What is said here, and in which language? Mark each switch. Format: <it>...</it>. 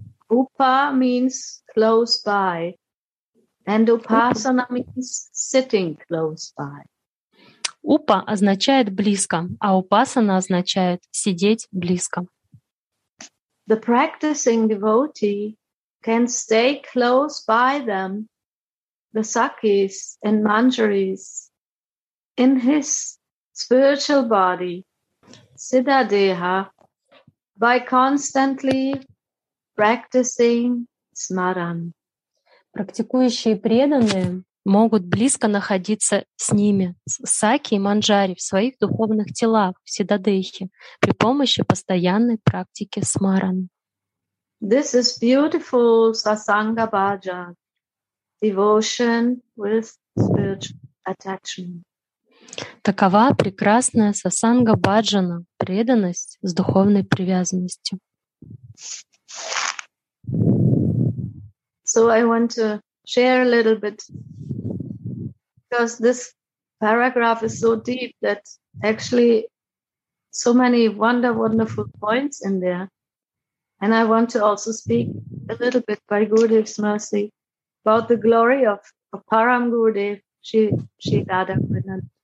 <en>Upa means close by, and upasana means sitting close by.</en> <ru>Upa означает близко, а upasana означает сидеть близко.</ru> <en>The practicing devotee can stay close by them, the sakis and manjaris, in his spiritual body, siddha deha, by constantly practicing smaran.</en> <ru>Практикующие преданные могут близко находиться с ними, с саки и манджари, в своих духовных телах, в siddha dehi, при помощи постоянной практики смаран.</ru> <en>This is beautiful sasanga bhajan, devotion with spiritual attachment.</en> <ru>Такова прекрасная сасанга баджана, преданность с духовной привязанностью.</ru> <en>So I want to share a little bit, because this paragraph is so deep that actually so many wonderful points in there. And I want to also speak a little bit by Gurudev's mercy about the glory of Param Gurudev, Shri Radha Krishna.</en>